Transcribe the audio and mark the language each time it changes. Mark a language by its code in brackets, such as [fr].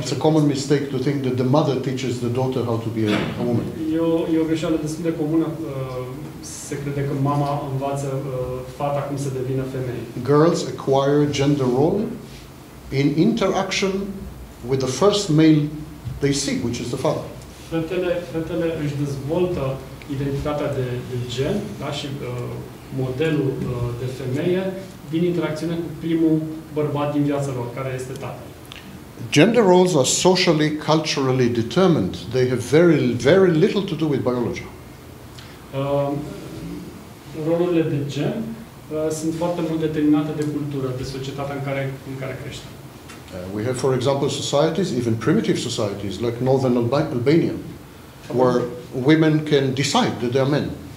[en] It's a common mistake to think that the mother teaches the daughter how to be a woman. [ro] E o greșeală destul de comună, se crede că mama învață fata cum să devină femeie. [en] Girls acquire gender role in interaction with the first male they see, which is the father. [ro] Fetele își dezvoltă identitatea de gen, da, și modelul de femeie din interacțiune cu primul bărbat din viața lor, care este tatăl. [en] Gender roles are socially, culturally determined. They have very, very little to do with biology. [ro] Rolurile de gen sunt foarte mult determinate de cultură, de societatea în care crește. [en] We have, for example, societies, even primitive societies, like Northern Albania, where women can decide that they are men.